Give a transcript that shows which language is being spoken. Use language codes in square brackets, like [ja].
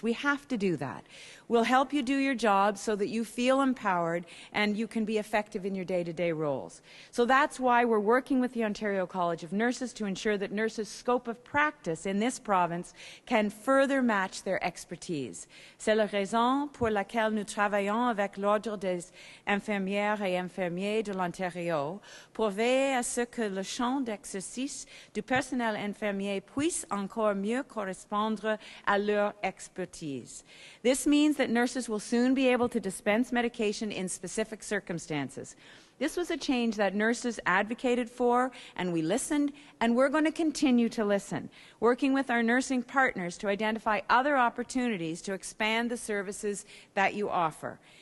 [en] We have to do that. We'll help you do your job so that you feel empowered and you can be effective in your day-to-day roles. So that's why we're working with the Ontario College of Nurses to ensure that nurses' scope of practice in this province can further match their expertise. [fr] C'est la raison pour laquelle nous travaillons avec l'Ordre des infirmières et infirmiers de l'Ontario pour veiller à ce que le champ d'exercice du personnel infirmier puisse encore mieux correspondre à leur expertise. [en] This means that nurses will soon be able to dispense medication in specific circumstances. This was a change that nurses advocated for, and we listened, and we're going to continue to listen, working with our nursing partners to identify other opportunities to expand the services that you offer.